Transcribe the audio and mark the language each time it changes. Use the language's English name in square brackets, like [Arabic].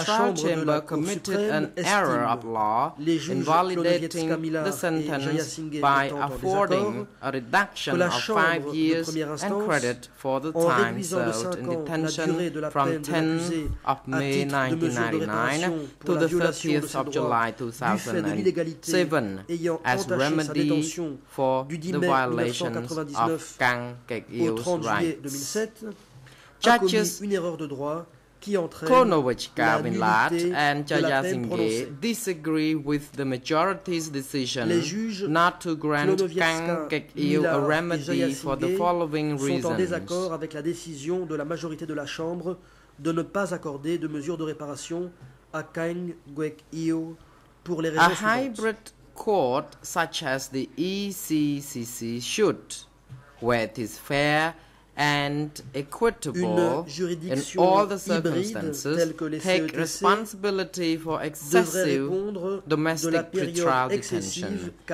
[English] trial chamber committed an error of law invalidating the sentence by affording a reduction of 5 years and credit for the time served in detention from 10th of May 1999 to the 30th of July 2007 as remedy for the violation of Kaing Guek Eav's rights. [French] Judges une erreur de droit qui [English] Klonovichka Milat and Jaya Singe disagree with the majority's decision not to grant Kaing Guek Eav a remedy for the following reasons. [French] Sont en désaccord avec la décision de la majorité de la Chambre de ne pas accorder de mesures de réparation à Kaing Guek Eav pour les raisons [English] a hybrid court such as the ECCC should, where it is fair and equitable in all the circumstances, take responsibility for excessive domestic pretrial detention.